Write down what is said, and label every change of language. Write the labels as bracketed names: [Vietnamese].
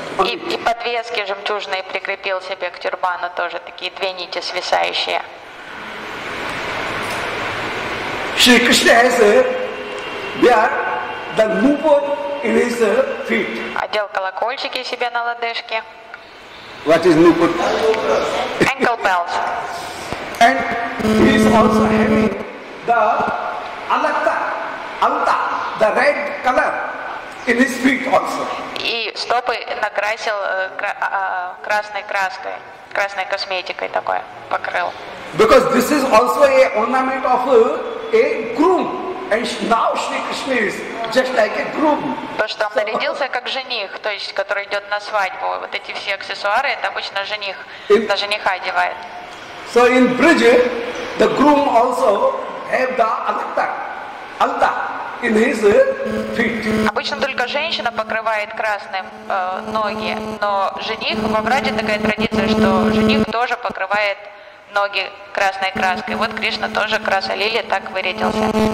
[Russian] И подвески жемчужные прикрепил себе к тюрбану тоже такие две нити свисающие. [English] Shri Krishna has bear the nupur in his feet. [Russian] Одел колокольчики себе на лодыжке. [English] What is nupur? Ankle bells. And he is also having the Alakta, Alta, the red color in his feet also. [Russian] И стопы накрасил красной краской, красной косметикой такой покрыл. [English] Because this is also a ornament of a groom, and now Shri Krishna is just like a groom. [Russian] То, что он нарядился как жених, то есть который идет на свадьбу. Вот эти все аксессуары, это обычно жених на жениха одевает. [English] So in Bridget, the groom also have the Alakta. Alta in his feet. [Russian] Обычно только женщина покрывает красным ноги, но жених, во Враде такая традиция, что жених тоже покрывает ноги красной краской. Вот Кришна тоже краса лили так вырядился.